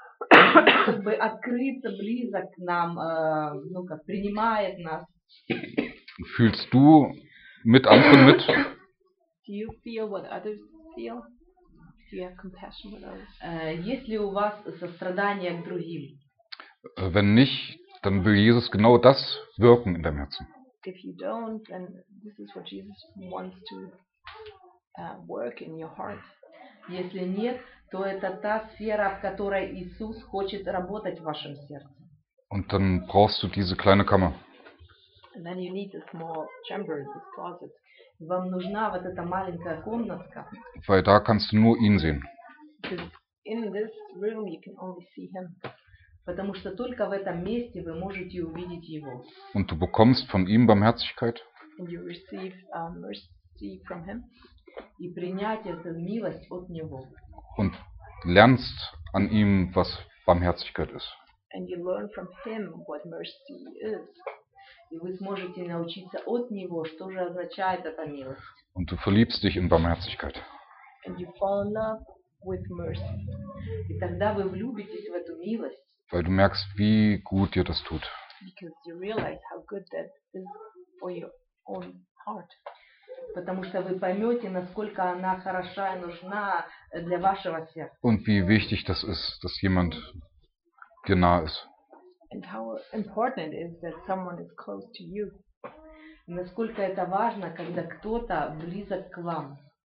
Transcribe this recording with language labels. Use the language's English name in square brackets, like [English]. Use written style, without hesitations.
[Russian] Как бы открыться близок к нам, ну как принимает нас. [German] Fühlst du mit anderen mit? [English] Do you feel what others feel? Do you have compassion with others? [Russian] Есть ли у вас сострадание к другим? [German] Wenn nicht, dann will Jesus genau das wirken in deinem Herzen. [English] If you don't, then this is what Jesus wants to work in your heart. [Russian] Если нет, то это та сфера, в которой Иисус хочет работать в вашем сердце. [German] Und dann brauchst du diese kleine Kammer. [English] And then you need a small chamber, this closet. [Russian] Вам нужна вот эта маленькая комнатка. [German] Weil da kannst du nur ihn sehen. [English] Because in this room you can only see him. [Russian] Потому что только в этом месте вы можете увидеть его. [German] Und du bekommst von ihm Barmherzigkeit. [English] And you receive mercy from him. [Russian] И принять эту милость от него. [German] Und lernst an ihm, was Barmherzigkeit ist. [English] And you learn from him what mercy is. [Russian] И вы сможете научиться от него, что же означает эта милость. [German] Und du verliebst dich in Barmherzigkeit. [English] And you fall in love with mercy. [Russian] И тогда вы влюбитесь в эту милость. [German] Weil du merkst, wie gut dir das tut. [English] Because you realize how good that is for your own heart. [Russian] Потому что вы поймете, насколько она хороша и нужна для вашего сердца. [German] Und wie wichtig das ist, dass jemand dir nah ist. [English] And how important it is that someone is close to you. [Russian] Насколько это важно, когда кто-то близок к вам.